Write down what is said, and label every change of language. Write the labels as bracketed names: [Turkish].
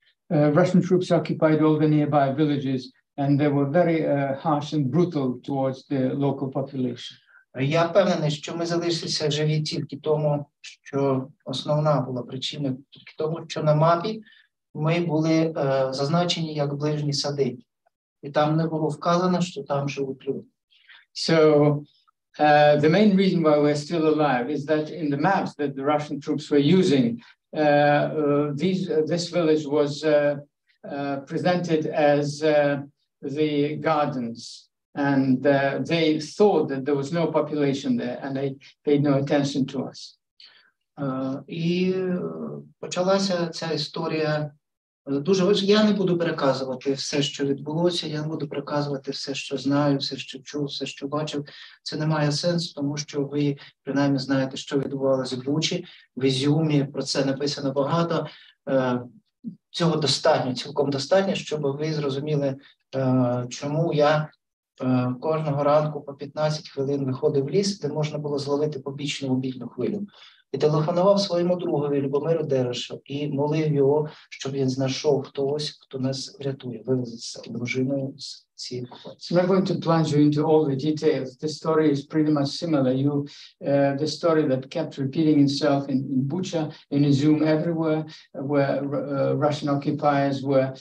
[English] Russian troops occupied all the nearby villages, and they were very harsh and brutal towards the local population. [Ukrainian] Я впевнений, що ми залишилися живі тільки тому, що основна була причина, тільки тому, що на мапі ми були зазначені як ближні сади, і там не було вказано, що там живуть люди. [English] So the main reason why we're still alive is that in the maps that the Russian troops were using, this village was presented as the gardens, and they thought that there was no population there, and they paid no attention to us. [Ukrainian] І почалася ця історія дуже важливо. Я не буду переказувати все, що відбулося. Я не буду переказувати все, що знаю, все, що чув, все, що бачив. Це не має сенсу, тому що ви принаймні знаєте, що відбувалося в Бучі, в Ізюмі. Про це написано багато. Цього достатньо, цілком достатньо, щоб ви зрозуміли, чому я кожного ранку по 15 хвилин виходив в ліс, де можна було зловити побічну мобільну хвилю. І телефонував своєму другові Любомиру Дерешу і молив його, щоб він знайшов хтось, хто нас врятує, вивезеться дружиною з цієї. [English] We're going to plunge you into all the details. The story is pretty much similar. You, the story that kept repeating itself in Bucha, in Izum, everywhere, where Russian occupiers were.